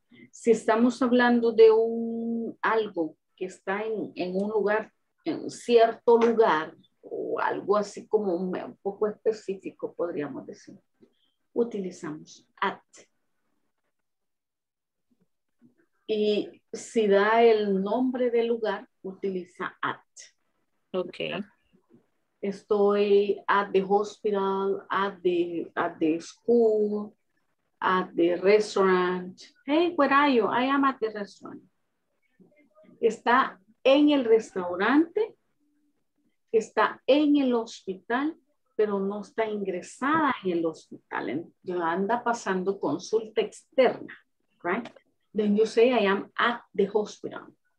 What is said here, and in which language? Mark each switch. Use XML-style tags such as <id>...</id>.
<es>Si estamos hablando de un algo que está en un lugar, en cierto lugar, o algo así como un poco específico, podríamos decir. Utilizamos at. Y si da el nombre del lugar, utiliza at. Ok. Estoy</es> <en>at the hospital, at the school, at the restaurant. Hey, where are you? I am at the restaurant.</en> <es>Está en el restaurante. Está en el hospital, pero no está ingresada en el hospital. Anda pasando consulta externa,</es> <en>right? Then you say, I am at the hospital.</en>